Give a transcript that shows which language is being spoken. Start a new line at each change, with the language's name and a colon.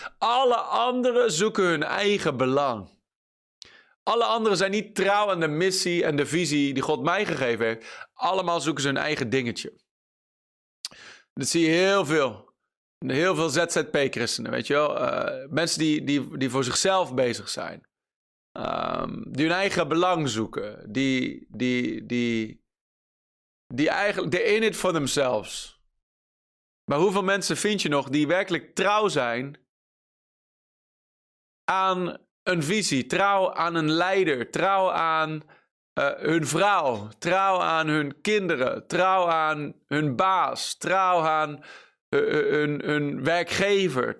Dutch: Alle anderen zoeken hun eigen belang. Alle anderen zijn niet trouw aan de missie en de visie die God mij gegeven heeft. Allemaal zoeken ze hun eigen dingetje. Dat zie je heel veel. Heel veel ZZP-christenen, weet je wel. Mensen die voor zichzelf bezig zijn. Die hun eigen belang zoeken. Die eigenlijk,
English: they're in it for themselves.
Dutch: Maar hoeveel mensen vind je nog die werkelijk trouw zijn aan een visie? Trouw aan een leider? Trouw aan hun vrouw? Trouw aan hun kinderen? Trouw aan hun baas? Trouw aan hun werkgever?